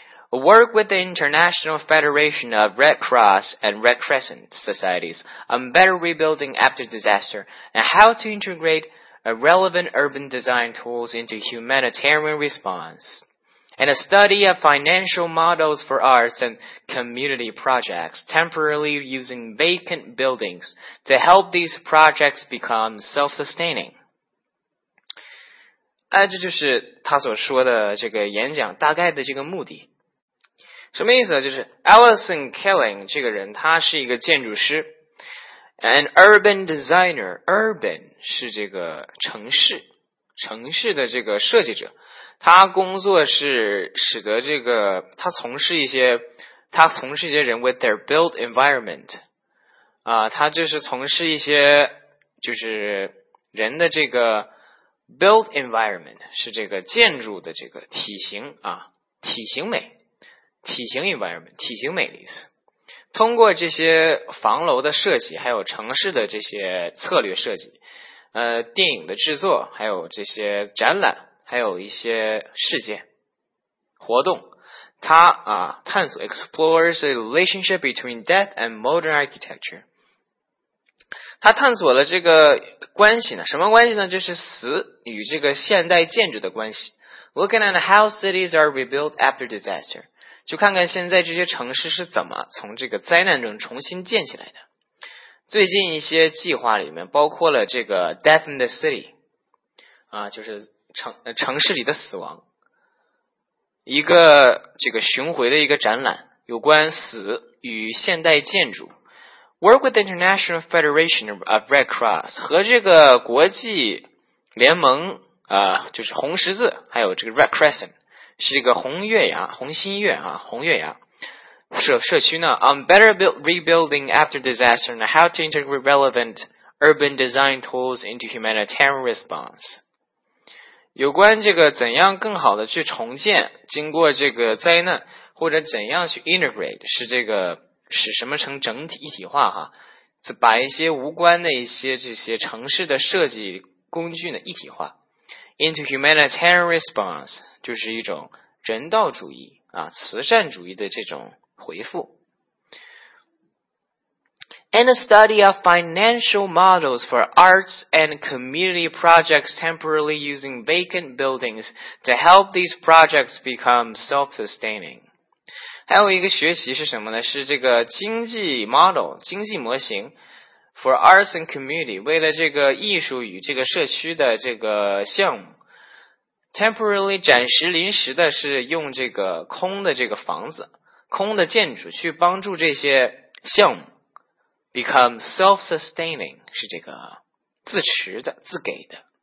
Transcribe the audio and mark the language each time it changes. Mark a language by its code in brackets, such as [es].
[en] Work with the International Federation of Red Cross and Red Crescent Societies on better rebuilding after disaster and how to integrate relevant urban design tools into humanitarian response. And a study of financial models for arts and community projects, temporarily using vacant buildings to help these projects become self-sustaining. [zh] 哎，这就是他所说的这个演讲大概的这个目的。什么意思呢？就是 Alison Killing 这个人，他是一个建筑师 ， [en] an urban designer. [zh] Urban 是这个城市，城市的这个设计者。他工作是使得这个他从事一些人 [en] with their built environment [zh] 啊，他就是从事一些就是人的这个 [en] built environment [zh] 是这个建筑的这个体型啊，体型美，体型 environment 体型美的意思。通过这些房楼的设计，还有城市的这些策略设计，电影的制作，还有这些展览。还有一些事件活动，他啊探索 [en] explores the relationship between death and modern architecture. [zh] 他探索了这个关系呢，什么关系呢？就是死与这个现代建筑的关系。 [en] Looking at how cities are rebuilt after disaster. [zh] 就看看现在这些城市是怎么从这个灾难中重新建起来的。最近一些计划里面包括了这个 [en] death in the city. [zh] 啊，就是城市里的死亡，一个这个巡回的一个展览，有关死与现代建筑。 [en] Work with the International Federation of Red Cross [zh] 和这个国际联盟就是红十字，还有这个 Red Crescent 是一个红月牙、红新月啊、红月牙社区呢。 [en] On better rebuilding after disaster and how to integrate relevant urban design tools into humanitarian response. [zh] 有关这个怎样更好的去重建经过这个灾难，或者怎样去 integrate 是这个使什么成整体一体化哈，把一些无关的一些这些城市的设计工具呢一体化 [en] into humanitarian response [zh] 就是一种人道主义啊慈善主义的这种回复。 [en] and a study of financial models for arts and community projects temporarily using vacant buildings to help these projects become self-sustaining. [zh] 还有一个学习是什么呢？是这个经济 model, 经济模型 [en] for arts and community, [zh] 为了这个艺术与这个社区的这个项目。 Temporarily, 暂时临时的是用这个空的这个房子空的建筑去帮助这些项目 [en] become self-sustaining, [zh] 是这个自持的自给的。